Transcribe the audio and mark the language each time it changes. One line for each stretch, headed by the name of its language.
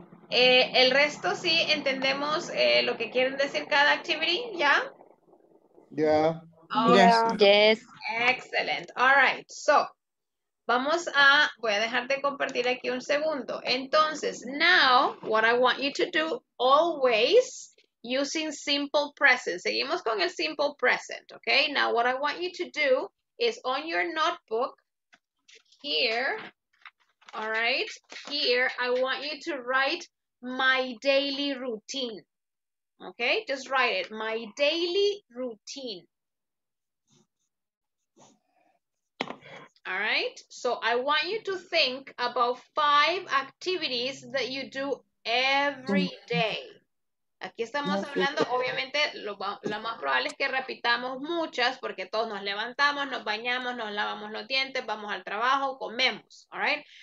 Spanish: El resto sí entendemos lo que quieren decir cada
English: activity,
Spanish: ¿ya?
English: Yeah. Yes. Yes. Excellent. All right.
Spanish: So, voy a dejar de compartir aquí un segundo. Entonces,
English: now, what I want you to do always using simple present.
Spanish: Seguimos con el
English: simple present, okay? Now, what I want you to do is on your notebook here, all right? Here, I want you to write my daily routine, okay? Just write it, my daily routine. All right, so I want you to think about 5 activities that you do every day.
Spanish: Aquí estamos hablando, obviamente, lo más probable es que repitamos muchas porque todos nos levantamos, nos bañamos, nos lavamos los dientes, vamos al trabajo, comemos,
English: all right?